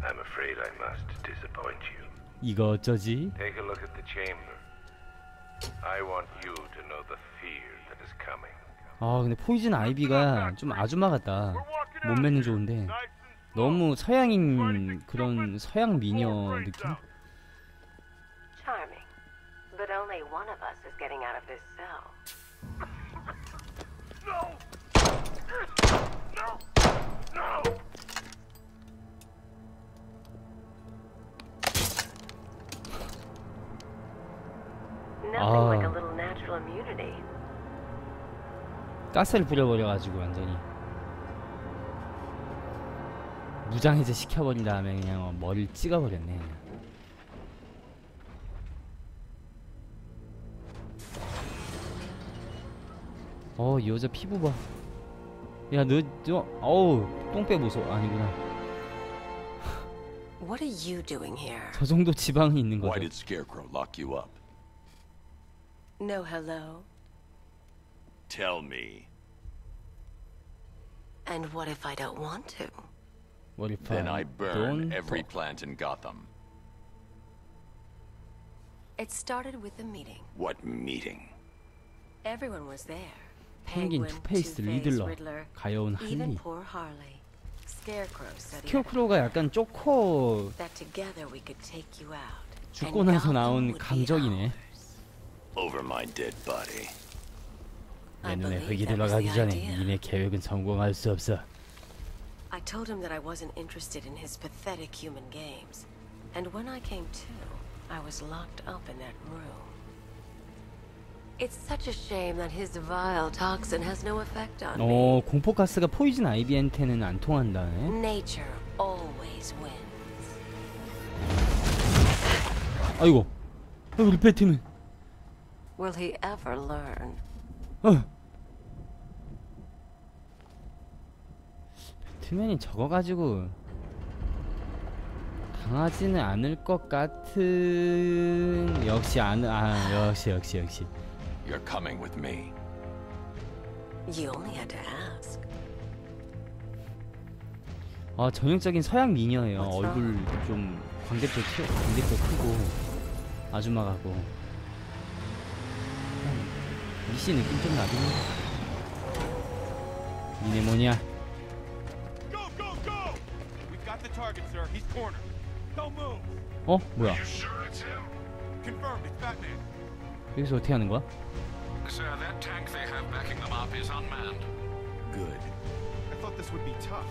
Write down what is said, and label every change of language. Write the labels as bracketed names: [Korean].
[English] I'm afraid I must disappoint you. [Korean] 이거 어쩌지? [English] Take a look at the chamber. I want you to know the fear that is coming. [Korean] 아, 근데 포이즌 아이비가 좀 아줌마 같다. 몸매는 좋은데 너무 서양인 그런 서양 미녀 느낌. [English] Charming. But only one of us is getting out of this cell. No! No! No! [Korean] 아, 가스를 뿌려버려가지고 완전히 무장해제 시켜버린 다음에 그냥 머리를 찍어버렸네. 어, 이 여자 피부 봐. 야, 너, 저, 어우, 똥배 보소. 아니구나. [English] What are you doing here? [Korean] 저 정도 지방이 있는 거죠. [English] Why did Scarecrow lock you up? No, hello. Tell me. And what if I don't want to? What if then I burn don't... every plant in Gotham. It started with a meeting. What meeting? Everyone was there. Penguin, Two-Face, Riddler, [Korean] 가여운 [English] Harley. Even poor Harley. Scarecrow said. [Korean] 스케어크로우가 약간 쪼코. [English] That together we could take you out. [Korean] 죽고 나서 나온 강적이네. [English] Over my dead body. [Korean] 내 눈에 흙이 들어가기 전에 니네 계획은 성공할 수 없어. [English] I told him that I wasn't interested in his pathetic human games. And when I came to, I was locked up in that room. It's such a shame that his vile toxin has no effect on me. [Korean] 어, 공포 가스가 포이즌 아이비한테는 안 통한다네. [English] Nature always wins. [Korean] 아이고, 우리 배팀은. [English] Will he ever learn? [Korean] 투맨이 저거 가지고 당하지는 않을 것 같은. 역시 안, 아, 역시. [English] You're coming with me. You only had to ask. [Korean] 아, 전형적인 서양 미녀예요. 얼굴 좀 광대뼈 키, 광대뼈 크고 아줌마 같고. 미씨 느낌 좀 나긴 해. 니네 뭐냐? [English] Go, go, go! We've got the target, sir. He's corner. Don't move. [Korean] 어? 뭐야? [English] Sure it's him? Confirmed, it's Batman. [Korean] 여기서 어떻게 하는 거야? [English] Sir, that tank they have backing them up is unmanned. Good. I thought this would be tough.